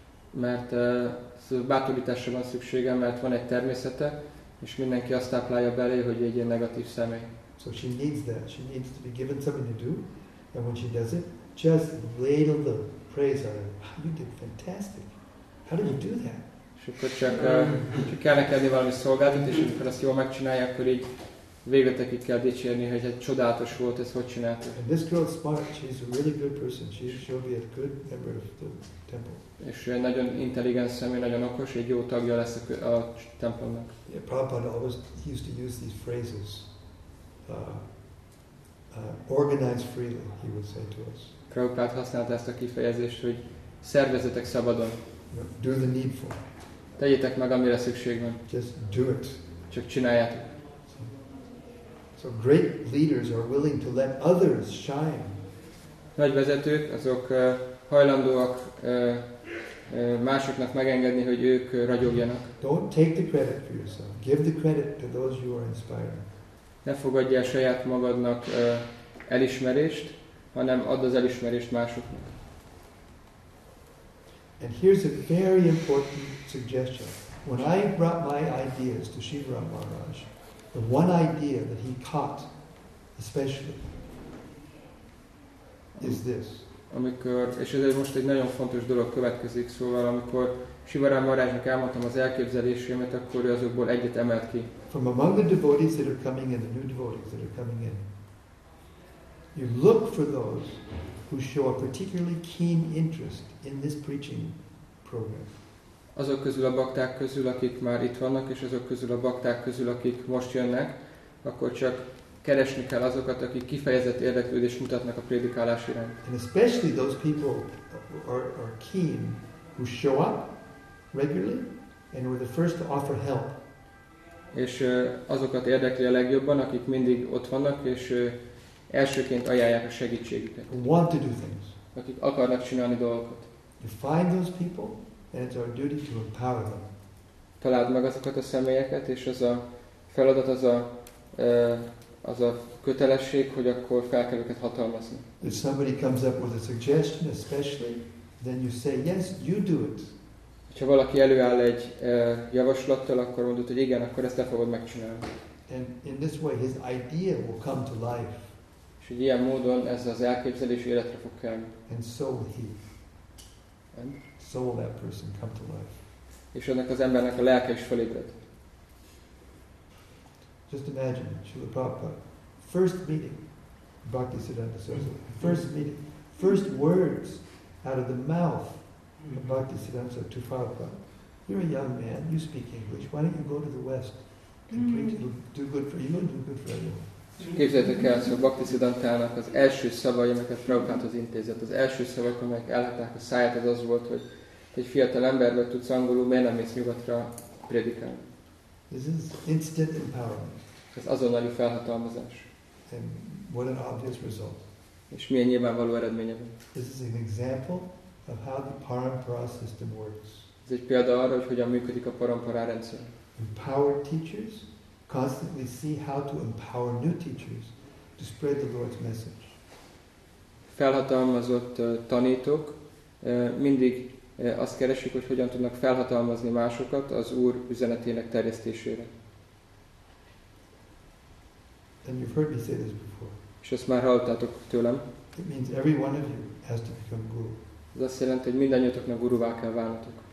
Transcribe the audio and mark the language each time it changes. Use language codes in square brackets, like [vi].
[hu] Mert bátorításra van szüksége, mert van egy természete, és mindenki azt táplálja belé, hogy egy ilyen negatív személy. [en] So she needs that. She needs to be given something to do, and when she does it, just ladle the praise on her. You did fantastic. How do you do that? [hu] És akkor csak kell neked valami szolgálatot, és amikor azt jól megcsinálja, akkor így végletekig kell dicsérni, hogy egy csodálatos volt, ez hogy csinálta. [en] And this girl Spark, she's a really good person. She should be a good member of the temple. [hu] És ő nagyon intelligens személy, nagyon okos, egy jó tagja lesz a templomnak. [en] Yeah, Prabhupada always used to use these phrases. Organize freely, he would say to us. [hu] Prabhupada használta ezt a kifejezést, hogy szervezetek szabadon. [en] Do the needful. [hu] Tegyétek meg, amire szükség van. [en] Just do it. [hu] Csak csináljátok. [en] So great leaders are willing to let others shine. [hu] Nagy vezetők, azok hajlandóak másoknak megengedni, hogy ők ragyogjanak. [en] Don't take the credit for yourself. Give the credit to those you are inspiring. [hu] Ne fogadj el saját magadnak elismerést, hanem add az elismerést másoknak. [en] And here's a very important suggestion. When I brought my ideas to Shivaram Maharaj, the one idea that he caught especially is this. [hu] Amikor, és ez most egy nagyon fontos dolog következik, szóval amikor Shivaram Maharajnak elmondtam az elképzelésémet, akkor ő azokból egyet emelt ki. [en] From among the devotees that are coming in, the new devotees that are coming in, you look for those who show a particularly keen interest in this preaching program. [hu] Azok közül a bakták közül, akik már itt vannak, és azok közül a bakták közül, akik most jönnek, akkor csak keresni kell azokat, akik kifejezett érdeklődést mutatnak a prédikálás iránt. [en] And especially those people are keen who show up regularly and were the first to offer help. [hu] És azokat érdekli a legjobban, akik mindig ott vannak, és elsőként ajánlják a segítségüket. [en] Who want to do things. [hu] Akik akarnak csinálni dolgokat. [en] You find those people, and it's our duty to empower them. [hu] Találd meg azokat a személyeket, és az a feladat, az a kötelesség, hogy akkor fel kell őket hatalmazni. [en] If somebody comes up with a suggestion, especially, then you say, yes, you do it. [hu] Ha valaki előáll egy javaslattal, akkor mondod, hogy igen, akkor ezt el fogod megcsinálni. [en] And in this way his idea will come to life. [hu] És hogy ilyen módon ez az elképzelés életre fog kelni. [en] And so will he. And? So will that person come to life. [hu] És ennek az embernek a lelke is felébred. [en] Just imagine, Srila Prabhupada, first meeting, Bhaktisiddhanta Sarasvati, first meeting, first words out of the mouth of Bhaktisiddhanta to Prabhupada. You're a young man, you speak English, why don't you go to the West and preach, it'll do good for you, it'll do good for everyone. [hu] Képzeljétek el, hogy Bhaktisiddhantának az első szavai, amiket Prabhupádhoz intézett, az első szavak, amelyek elhatták a száját, az az volt, hogy egy fiatal emberből tudsz angolul, miért nem mész nyugatra prédikálni. [en] This is instant empowerment. [hu] Ez azonnali felhatalmazás. [en] And what an obvious result. [hu] És milyen nyilvánvaló eredménye van. [en] This is an example of how the parampara system works. [hu] Ez egy példa arra, hogy hogyan működik a parampara rendszer. [en] Empowered teachers constantly see how to empower new teachers to spread the Lord's message. [hu] Felhatalmazott tanítók mindig azt keresik, hogy hogyan tudnak felhatalmazni másokat az Úr üzenetének terjesztésére. [en] And you've heard me say this before. [hu] És ezt már hallottátok tőlem. [en] It means every one of you has to become guru. [hu] Ez azt jelenti, hogy mindannyiatoknak guruvá kell válnotok.